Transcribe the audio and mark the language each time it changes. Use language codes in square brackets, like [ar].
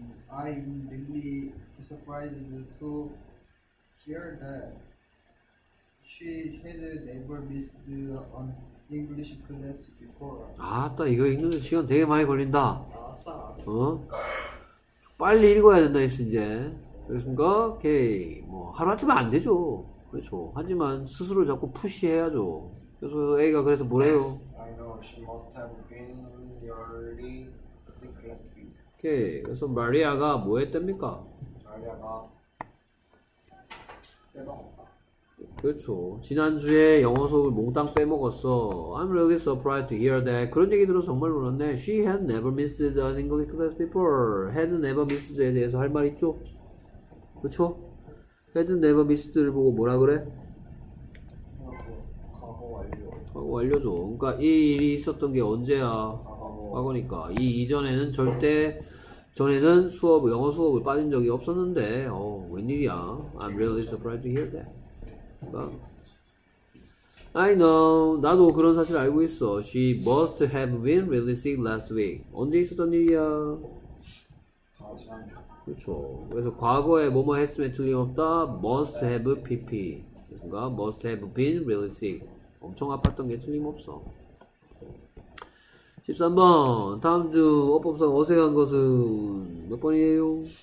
[en] I'm really surprised to hear that she had never missed an English class before. [ko] 아따, 이거 읽는 시간 되게 많이 걸린다. 아싸. 빨리 읽어야 된다 했어 이제. 그렇습니까? 오케이. 뭐 하루아침에 안 되죠. 그렇죠. 하지만 스스로 자꾸 푸시해야죠. 그래서 A가 그래서 뭐래요? [en] I know she must have been really sick last week. [ko] 오케이. 그래서 마리아가 뭐 했답니까? 마리아가 빼먹었다. 그렇죠. 지난주에 영어 수업을 몽땅 빼먹었어. [en] I'm really surprised to hear that. [ko] 그런 얘기 들어서 정말 놀랐네. [en] She had never missed an English class before. Had never missed에 대해서 [ko] 할말 있죠? 그렇죠? [en] Had never missed [ko] 를 보고 뭐라 그래? 하고 알려줘. 그러니까 이 일이 있었던 게 언제야? 과거니까. 이 이전에는 절대 전에는 영어 수업을 빠진 적이 없었는데. 웬일이야? [en] I'm really surprised to hear that. [ko] 그러니까 [en] I know. [ko] 나도 그런 사실 알고 있어. [en] She must have been really sick last week. [ko] 언제 있었던 일이야? 그렇죠. 그래서 과거에 뭐뭐 했음에 틀림없다. [en] Must have PP. [ko] 그러니까 [en] must have been really sick. [ko] 엄청 아팠던 게 틀림없어. 13번. 다음 주 어법상 어색한 것은 몇 번이에요?